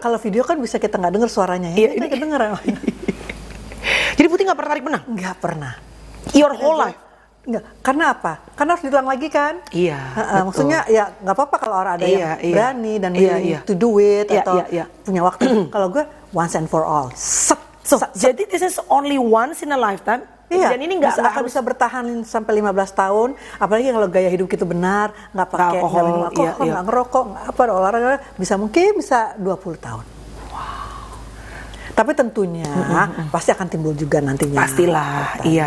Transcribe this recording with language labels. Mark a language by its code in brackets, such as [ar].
[id] Kalau video kan bisa kita gak denger suaranya ya. Iya, ini kedenger. Jadi Putih gak pernah tarik benang? Gak pernah. [en] Your whole life? [id] Enggak, karena apa? Karena harus ditulang lagi kan? Iya, betul. Maksudnya ya gak apa-apa kalau orang ada yang berani dan [en] willing to do it [id] atau punya waktu. Kalau gue [en] once and for all, set. [id] Jadi [en] this is only once in a lifetime? [id] Iya, dan ini gak harus bisa bertahan sampai 15 tahun. Apalagi kalau gaya hidup itu benar, gak pakai alkohol, gak ngerokok, gak apa, olahraga. Bisa 20 tahun. Tapi tentunya pasti akan timbul juga nantinya. Pastilah, iya.